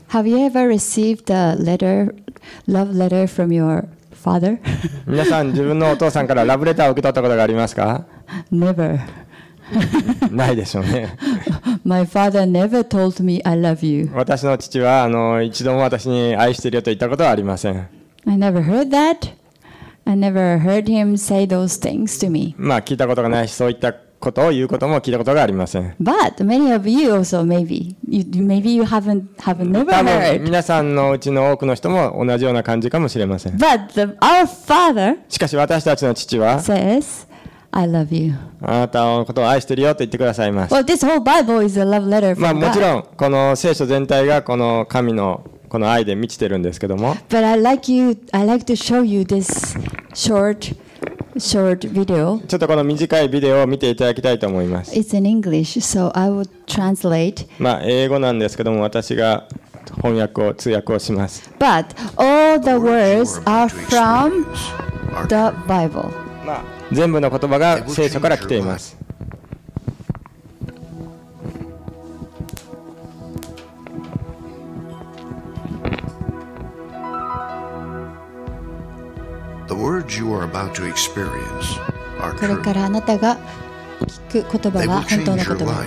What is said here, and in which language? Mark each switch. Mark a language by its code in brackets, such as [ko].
[en] Have you ever received a letter, love letter from your Father? [ja] 皆さん自分のお父さんからラブレターを受け取ったことがありますか [en] Never. [ja] ないでしょうね。 [en] My father never told me I love you. [ja] 私の父はあの一度も私に愛しているよと言ったことはありません。 [en] I never heard that. I never heard him say those things to me. [ja] まあ聞いたことがないし、そういったことを言うことも聞いたことがありません。 [en] But many of you also maybe you haven't never heard. [ja] 多分皆さんのうちの多くの人も同じような感じかもしれません。 [en] But our father. [ja] しかし私たちの父は [en] says, I love you. [ja] あなたのことを愛してるよと言ってくださいます。 [en] Well, this whole Bible is a love letter from God. [ja] まあもちろんこの聖書全体がこの神のこの愛で満ちてるんですけども。 [en] But I like to show you this short. Short video. [ja] ちょっとこの短いビデオを見ていただきたいと思います。 [en] It's in English, so I will translate. [ja] まあ英語なんですけども、私が翻訳を通訳をします。 [en] But all the words are from the Bible. [ja] まあ全部の言葉が聖書から来ています。これからあなたが聞く言葉は本当の言葉。